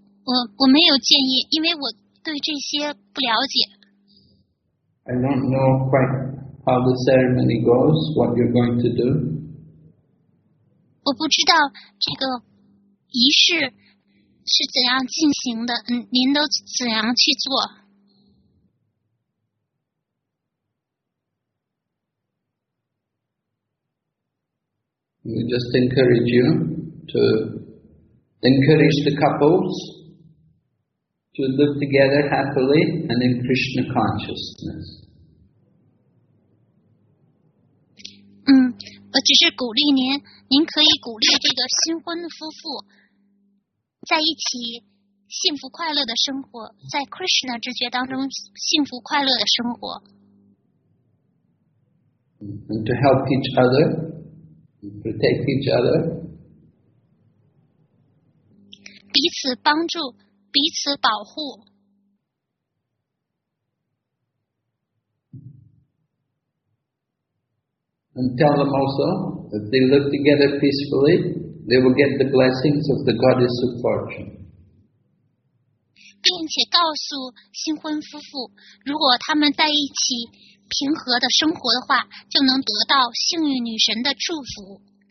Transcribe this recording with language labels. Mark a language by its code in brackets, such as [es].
[zh] 我没有建议，因为我对这些不了解。 [en] I don't know quite how the ceremony goes, what you're going to do. [zh] 我不知道这个仪式是怎样进行的，您都怎样去做。 [en] We just encourage you to encourage the couples to live together happily and in Krishna consciousness. [zh] 我只是鼓励您，您可以鼓励这个新婚夫妇在一起幸福快乐的生活，在 Krishna 之觉当中幸福快乐的生活。 [en] And to help each other. Protect each other. [zh] 彼此帮助，彼此保护。 [en] And tell them also, if they live together peacefully, they will get the blessings of the goddess of fortune. [zh] 并且告诉新婚夫妇，如果他们在一起平和的生活的话，就能得到幸运女神的祝福。